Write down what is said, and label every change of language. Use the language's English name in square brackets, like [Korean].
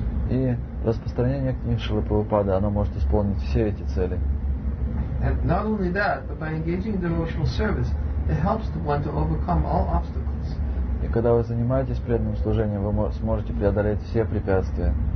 [Russian] И распространение книг Шрила Прабхупады, оно может исполнить все эти цели. [English] And not only that, but by engaging in devotional service, it helps the one to overcome all obstacles. [Russian] И когда вы занимаетесь преданным служением, вы сможете преодолеть все препятствия.